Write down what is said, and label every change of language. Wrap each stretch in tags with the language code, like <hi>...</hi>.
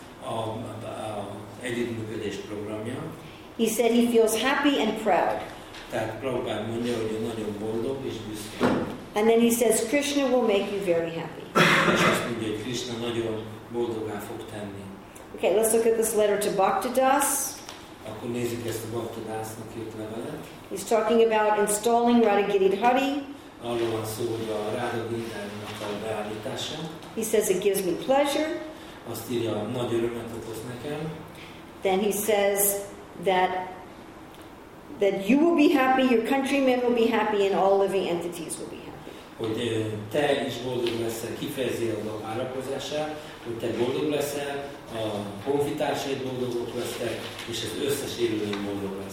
<hu>A együttműködés programja.</hu> <en>He said he feels happy and proud.</en> <hu>Tehát Prabhupada mondja, hogy nagyon boldog és büszke.</hu> <en>And then he says, Krishna will make you very happy.</en> <hu>És azt mondja, hogy Krishna nagyon boldoggá fog tenni.</hu> <en>Okay, let's look at this letter to Bhaktadas.</en> <hu>Akkor nézzük ezt a Bhaktadasnak írt levelet.</hu> <en>He's talking about installing Radha Giridhari.</en> <hu>Arról van szó, hogy a Radha Giridharinak a beállítása.</hu> <en>He says, it gives me pleasure.</en> <hu>Azt írja, nagy örömet okoz nekem.</hu> <en>Then he says that you will be happy, your countrymen will be happy, and all living entities will be happy.</en> <hu>Hogy te is boldog leszel, kifejezi a várakozását, hogy te boldog leszel, a honfitársaid boldogok lesznek, és az összes élőlény boldog lesz.</hu>